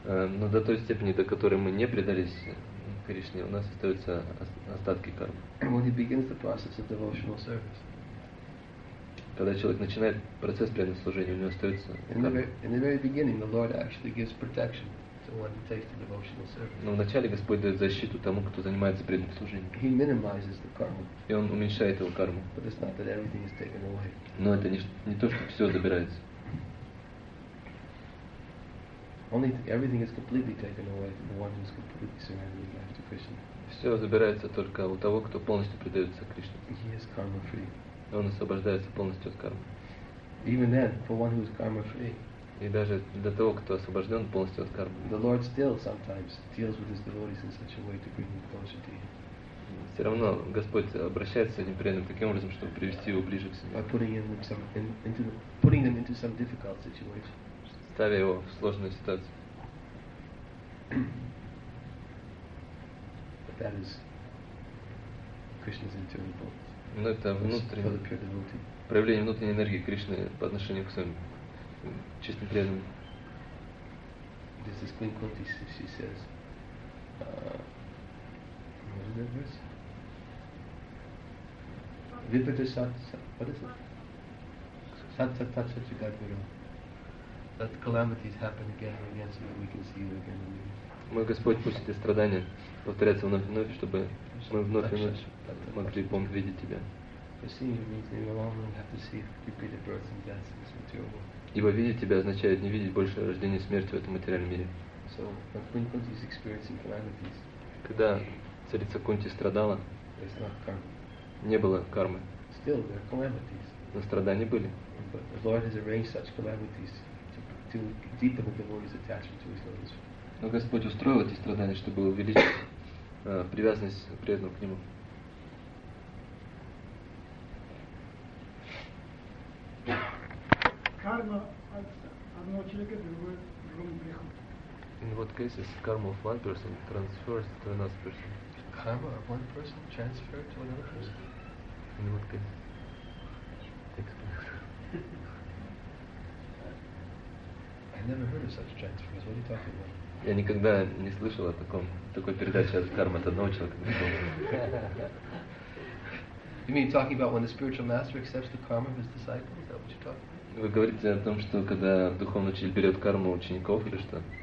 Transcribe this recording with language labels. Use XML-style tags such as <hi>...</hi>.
<ru>Но до той степени, до которой мы не предались Кришне, у нас остаются остатки кармы.</ru> <en>When he begins the process of devotional service.</en> <ru>Когда человек начинает процесс преданного служения, у него остаются</ru> <en>кармы. In the very beginning, the Lord actually gives protection to one who takes the devotional service.</en> <ru>Но вначале Господь дает защиту тому, кто занимается преданным служением.</ru> <en>He minimizes the karma.</en> <ru>И он уменьшает его карму.</ru> <en>But it's not that everything is taken away.</en> <ru>Но это не то, что все забирается.</ru> <en>Only everything is completely taken away from the one who is completely surrendered life to Krishna.</en> <ru>Все забирается только у того, кто полностью предается Кришне.</ru> <en>He is karma free.</en> <ru>Он освобождается полностью от кармы.</ru> <en>Even then, for one who is karma free.</en> <ru>И даже для того, кто освобожден полностью от кармы.</ru> <en>The Lord still sometimes deals with his devotees in such a way to bring them closer to him.</en> <ru>Все равно Господь обращается с этим преданным таким образом, чтобы привести его ближе к себе.</ru> <en>By putting them into some difficult situation.</en> <ru>Ставя его в сложную ситуацию.</ru> <en>But that is Krishna's internal potency.</en> <ru>Но это внутреннее проявление внутренней энергии Кришны по отношению к своим чистым преданным.</ru> <en>This is Queen Kunti, she says. What is that verse? Vipata sat, what is it? Sat sat sat sat. Let calamities happen again and again, so that we can see you again.</en> <ru>Мой Господь, пусть эти страдания повторятся вновь и вновь, чтобы мы вновь и вновь могли помнить видеть тебя.</ru> <en>For seeing you means no longer have to see repeated births and deaths in this material world.</en> <ru>Ибо видеть тебя означает не видеть больше рождения и смерти в этом материальном мире.</ru> <en>So when Kunti is experiencing calamities,</en> <ru>когда царица Кунти страдала,</ru> <en>there's not karma.</en> <ru>Не было кармы.</ru> <en>Still there are calamities.</en> <ru>Но страдания были.</ru> <en>But the Lord has arranged such calamities. Deepen the devotee's attachment to his lotus feet.</en> <ru>Но Господь устроил эти страдания, чтобы увеличить привязанность преданного к нему. Карма от одного человека другому</ru> <en>приходит. In what cases karma of one person transfers to another person? Karma of one person transferred to another person? In what cases? Explain. I never heard of such transfers. What are you talking about?</en> <ru>Я никогда не слышал о таком такой передаче от кармы от одного человека.</ru> <en>You mean talking about when the spiritual master accepts the karma of his disciples? Is that what you're talking about?</en> <ru>Вы говорите о том, что когда духовный учитель берет карму учеников или что?</ru>